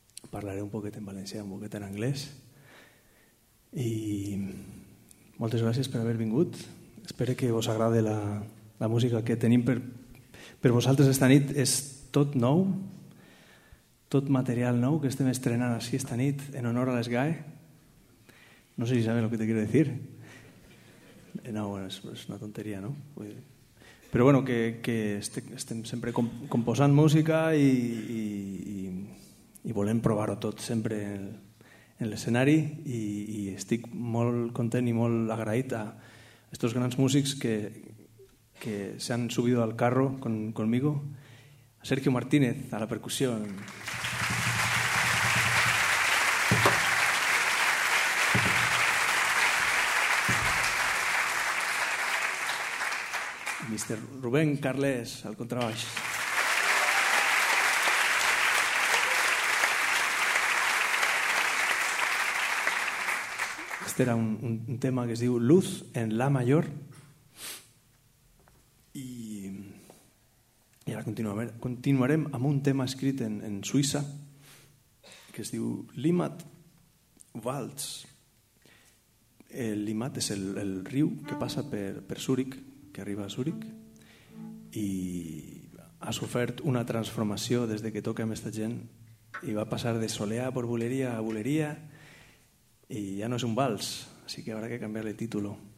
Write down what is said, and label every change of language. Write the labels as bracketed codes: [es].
[ca] Parlaré un poquet en valencià, un poquet en anglès. I moltes gràcies per haver vingut. Espero que vos agrade la música que tenim per vosaltres esta nit. És tot nou, tot material nou que estem estrenant així esta nit en honor a les GAE. [es] No sé si sabes lo que te quiero decir. [ca] No, bueno, és una tonteria, no? Però bueno, que estem sempre composant música i volem provar-ho tot sempre en l'escenari i estic molt content i molt agraït a aquests grans músics que [es] que se han subido al carro conmigo. A Sergio Martínez, a la percusión. [ca] Mr. Rubén Carles, al contrabaix. [es] Este era un tema [ca] que es diu Luz en La Mayor. I ara continuarem amb un tema escrit en Suïssa que es diu Limmat Waltz. El Limmat és el riu que passa per Zúric, que arriba a Zúric, i ha sofert una transformació des de que toca amb aquesta gent i va passar de soleà per boleria a boleria i ja no és un vals, així que haurà que canviar el títol.